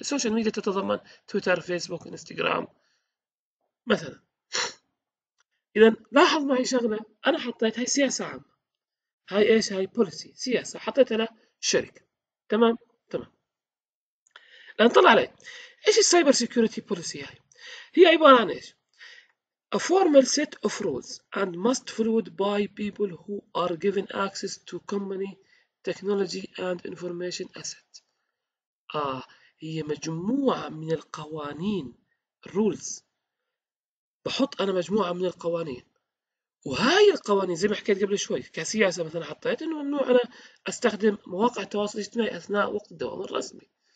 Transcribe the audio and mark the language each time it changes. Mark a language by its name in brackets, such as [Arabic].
[Arabic] السوشيال ميديا تتضمن تويتر، فيسبوك، انستغرام مثلا. إذا لاحظ معي شغلة، أنا حطيت هاي سياسة عامة، هاي إيش، هاي بوليسي سياسة حطيتها للشركة. تمام. الآن طلع علي إيش السايبر سيكيورتي بوليسي. [English] هاي هي عبارة عن إيش؟ A formal set of rules and must followed by people who are given access to company technology and information asset. [Arabic] هي مجموعة من القوانين، rules، بحط أنا مجموعة من القوانين، وهاي القوانين زي ما حكيت قبل شوي كسياسة مثلا حطيت إنه ممنوع أنا أستخدم مواقع التواصل الاجتماعي أثناء وقت الدوام الرسمي.